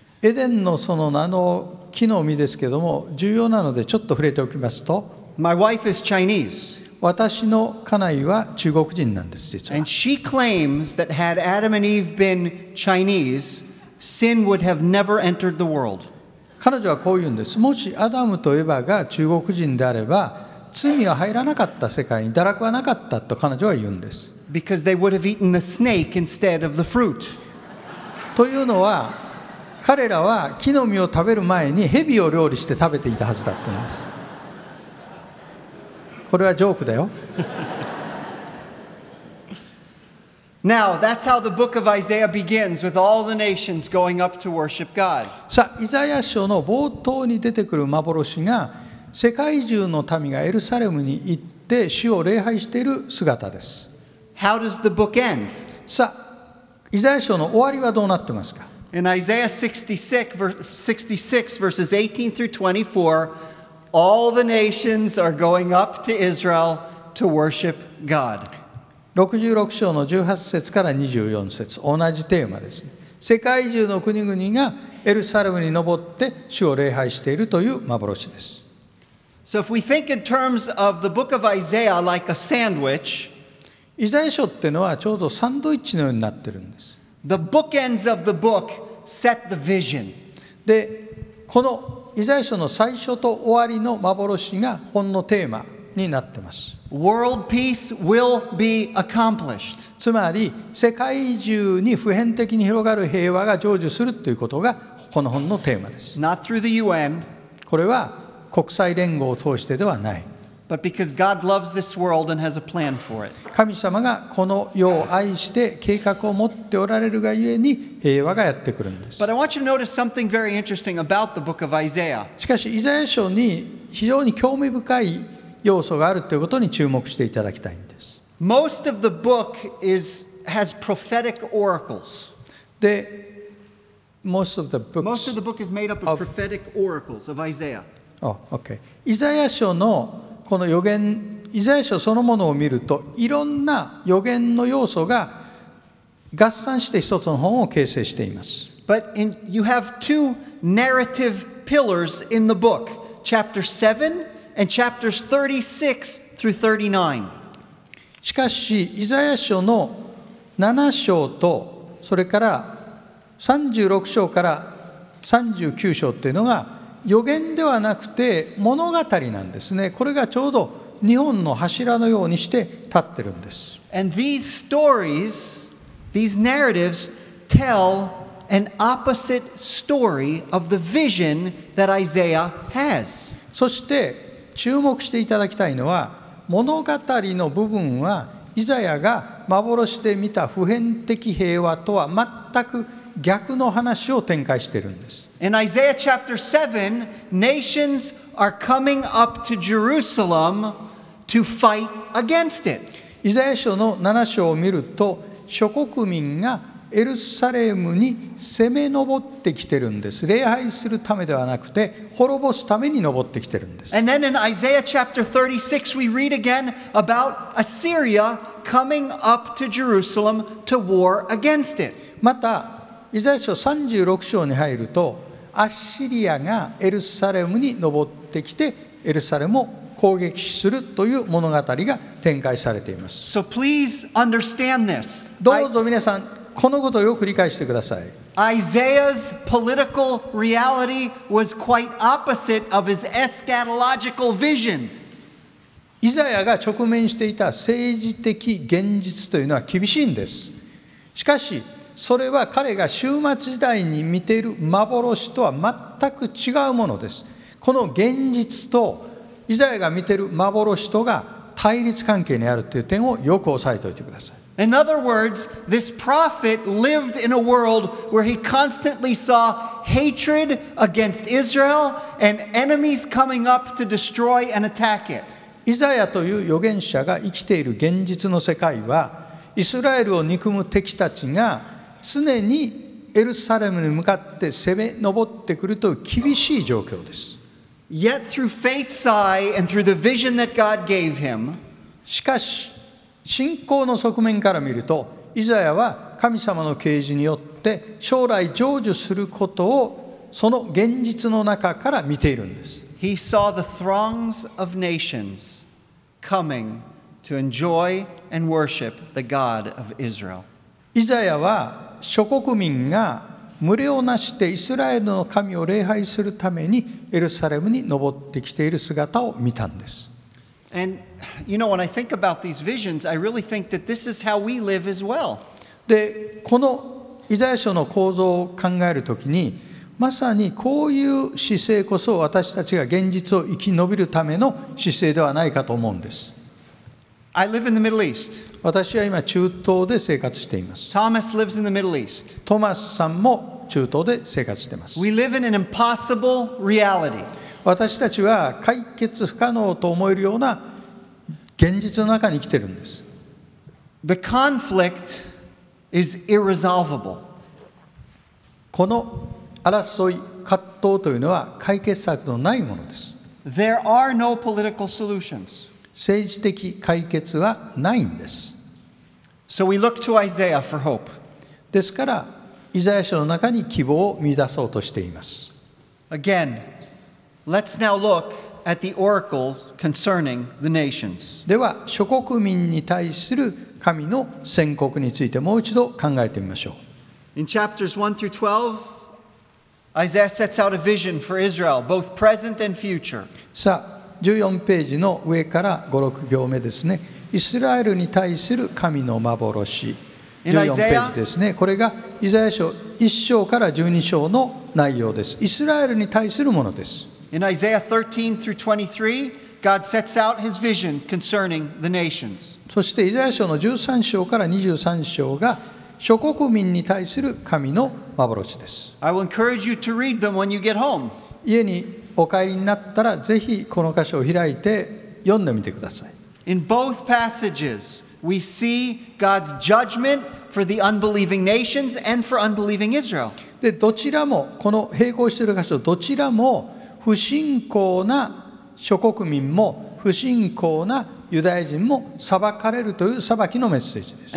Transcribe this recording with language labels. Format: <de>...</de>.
<ja>エデンのその名の木の実ですけども重要なのでちょっと触れておきますと、</ja> <en>My wife is Chinese.</en> <ja>私の家内は中国人なんです実は。</ja> <en>And she claims that had Adam and Eve been Chinese, sin would have never entered the world.</en> <ja>彼女はこう言うんです。もしアダムとエヴァが中国人であれば、罪は入らなかった世界に堕落はなかったと彼女は言うんです。</ja> <en>Because they would have eaten the snake instead of the fruit.</en> <ja>というのは、彼らは木の実を食べる前に蛇を料理して食べていたはずだと言うんです。これはジョークだよ。</ja> <en>Now, that's how the book of Isaiah begins, with all the nations going up to worship God.</en> <ja>さあ、イザヤ書の冒頭に出てくる幻が、世界中の民がエルサレムに行って主を礼拝している姿です。</ja> <en>How does the book end?</en> <ja>さあ、イザヤ書の終わりはどうなってますか?</ja> <en>In Isaiah 66, verses 18 through 24, all the nations are going up to Israel to worship God.</en> <ja>66章の18節から24節同じテーマです、ね、世界中の国々がエルサレムに登って主を礼拝しているという幻です</ja> <en>So if we think in terms of the book of Isaiah like a sandwich</en> <ja>イザヤ書っていうのはちょうどサンドイッチのようになってるんです</ja> <en>The bookends of the book set the vision</en> <ja>で、このイザヤ書の最初と終わりの幻が本のテーマになってます</ja> <en>World peace will be accomplished.</en> <ja>つまり世界中に普遍的に広がる平和が成就するということがこの本のテーマです</ja> <en>Not through the UN.</en> <ja>これは国際連合を通してではない</ja> <en>But because God loves this world and has a plan for it.</en> <ja>神様がこの世を愛して計画を持っておられるがゆえに平和がやってくるんです</ja> <en>But I want you to notice something very interesting about the book of Isaiah.</en> <ja>しかしイザヤ書に非常に興味深い要素があるということに注目していただきたいんです。</ja> <en>Most of the book is, has prophetic oracles. で、most of the books Most of the book is made up of prophetic oracles of Isaiah. Oh, okay.</en> <ja>イザヤ書のこの予言、イザヤ書そのものを見ると、いろんな予言の要素が合算して一つの本を形成しています。</ja> <en>But in, you have two narrative pillars in the book. Chapter 7And chapters 36 through 39.</en> <ja>しかし、イザヤ書の7章と、それから36章から39章っていうのが、予言ではなくて物語なんですね。これがちょうど2本の柱のようにして立ってるんです。</ja> <en>And these stories, these narratives, tell an opposite story of the vision that Isaiah has.</en> <ja>そして注目していただきたいのは、物語の部分はイザヤが幻で見た普遍的平和とは全く逆の話を展開しているんです。</ja> <en>In Isaiah chapter 7, nations are coming up to Jerusalem to fight against it.</en> <ja>イザヤ書の7章を見ると、諸国民がエルサレムに攻め上ってきているんです。礼拝するためではなくて、滅ぼすために上ってきているんです。</ja> <en>And then in Isaiah chapter 36, we read again about Assyria coming up to Jerusalem to war against it.</en> <ja>また、イザヤ書36章に入るとアッシリアがエルサレムに登ってきてエルサレムを攻撃するという物語が展開されています。</ja> <en>So please understand this.</en> <ja>どうぞ皆さんこのことをよく理解してください。</ja> <en>Isaiah's political reality was quite opposite of his eschatological vision.</en> <ja>イザヤが直面していた政治的現実というのは厳しいんです。しかしそれは彼が終末時代に見ている幻とは全く違うものです。この現実とイザヤが見ている幻とが対立関係にあるという点をよく押さえておいてください。</ja> <en>In other words, this prophet lived in a world where he constantly saw hatred against Israel and enemies coming up to destroy and attack it.</en> <ja>イザヤという預言者が生きている現実の世界はイスラエルを憎む敵たちが常にエルサレムに向かって攻め上ってくるという厳しい状況です。</ja> <en>Yet through faith's eye and through the vision that God gave him,</en> <ja>しかし信仰の側面から見るとイザヤは神様の啓示によって将来成就することをその現実の中から見ているんです。</ja> <en>He saw the throngs of nations coming to enjoy and worship the God of Israel.</en> <ja>イザヤは諸国民が群れをなしてイスラエルの神を礼拝するためにエルサレムに登ってきている姿を見たんです。</ja> <en>And, you know, when I think about these visions, I really think that this is how we live as well.</en> <ja>で、このイザヤ書の構造を考えるときにまさにこういう姿勢こそ私たちが現実を生き延びるための姿勢ではないかと思うんです。</ja> <en>I live in the Middle East.</en> <ja>私は今中東で生活しています。</ja> <en>Thomas lives in the Middle East.</en> <ja>トマスさんも中東で生活しています。</ja> <en>We live in an impossible reality.</en> <ja>私たちは解決不可能と思えるような現実の中に生きているんです。</ja> <en>The conflict is irresolvable.</en> <ja>この争い、葛藤というのは解決策のないものです。</ja> <en>There are no political solutions.</en> <ja>政治的解決はないんです。</ja> <en>So we look to Isaiah for hope.</en> <ja>ですから、イザヤ書の中に希望を見出そうとしています。</ja> <en>Again, let's now look at the oracle concerning the nations.</en> <ja>では、諸国民に対する神の宣告についてもう一度考えてみましょう。</ja> <en>In chapters 1 through 12, Isaiah sets out a vision for Israel, both present and future.</en> <ja>さあ14ページの上から5、6行目ですね。イスラエルに対する神の幻。14ページですね。これがイザヤ書1章から12章の内容です。イスラエルに対するものです。</ja> <en>In Isaiah 13 through 23, God sets out his vision concerning the nations.</en> <ja>そしてイザヤ書の13章から23章が諸国民に対する神の幻です。</ja> <en>I will encourage you to read them when you get home.</en> <ja>家にお帰りになったらぜひこの箇所を開いて読んでみてください。</ja> <en>In both passages, we see God's judgment for the unbelieving nations and for unbelieving Israel.</en> <ja>で、どちらもこの並行している箇所、どちらも不信仰な諸国民も不信仰なユダヤ人も裁かれるという裁きのメッセージです。</ja>